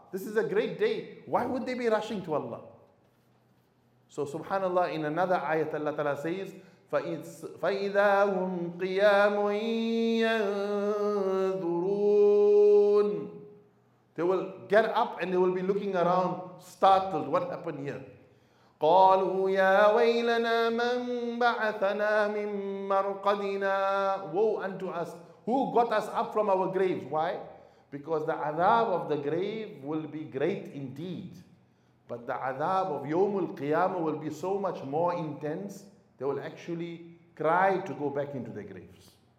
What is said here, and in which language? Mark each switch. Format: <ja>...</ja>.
<en>This is a great day. Why would they be rushing to Allah? So subhanAllah, in another ayat Allah Ta'ala says,</en> <ar>فَإِذَا هُمْ قِيَامٌ يَنْذُرُونَ</ar> <en>They will get up and they will be looking around, startled. What happened here?</en> <ar>قَالُوا يَا وَيْلَنَا مَنْ بَعَثَنَا مِنْ مَرْقَدِنَا</ar> <en>Woe unto us. Who got us up from our graves? Why? Because the adab of the grave will be great indeed. But the adab of Yawmul Qiyamah will be so much more intense, they will actually cry to go back into their graves.</en>